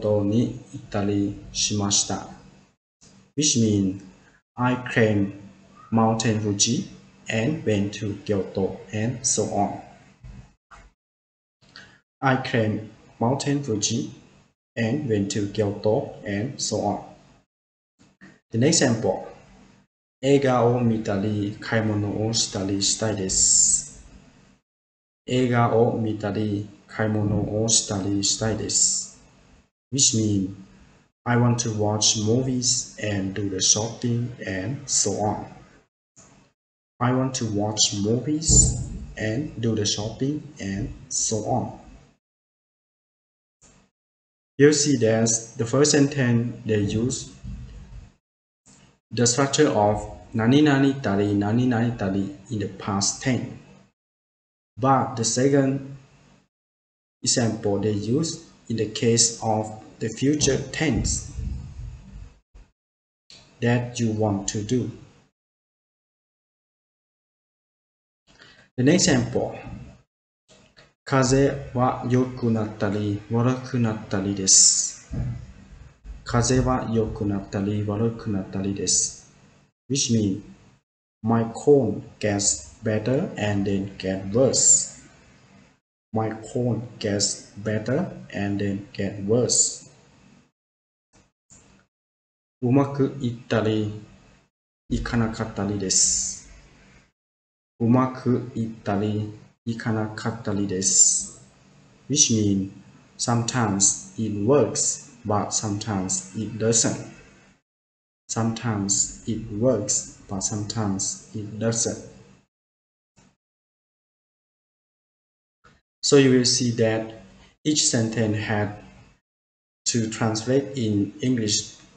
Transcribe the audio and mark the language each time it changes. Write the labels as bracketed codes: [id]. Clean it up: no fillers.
[ja] 富士山に登ったり、京都に行ったりしました。 [en] Which means, I climbed Mountain Fuji and went to Kyoto, and so on. I climbed Mountain Fuji and went to Kyoto, and so on. The next example, [ja] 映画を見たり、買い物をしたりしたいです。映画を見たり、買い物をしたりしたいです。 [en] Which means, I want to watch movies and do the shopping and so on. I want to watch movies and do the shopping and so on. You see that the first sentence, they use the structure of 何々たり, 何々たり in the past tense. But the second example they use in the case of the future tense that you want to do. The next example, [ja] 風は良くなったり悪くなったりです。風は良くなったり悪くなったりです。 [en] Which means, my cold gets better and then get worse. my corn gets better and then get worse. [ja] うまくいったりいかなかったりです。うまくいったりいかなかったりです。 [en] Which means sometimes it works, but sometimes it doesn't. Sometimes it works, but sometimes it doesn't. So you will see that each sentence had to translate in English.